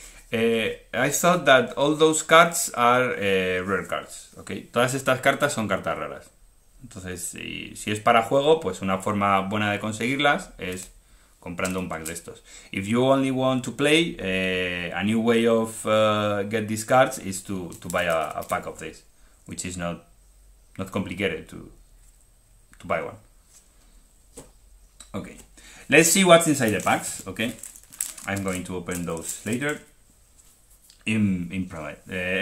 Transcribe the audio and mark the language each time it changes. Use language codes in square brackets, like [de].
[en] I thought that all those cards are rare cards. [es] Ok. Todas estas cartas son cartas raras. Entonces, si es para juego, pues una forma buena de conseguirlas es comprando un pack de estos. [en] If you only want to play, a new way of get these cards is to buy a pack of this, which is not complicated to buy one. Okay, let's see what's inside the packs. Okay, I'm going to open those later in private.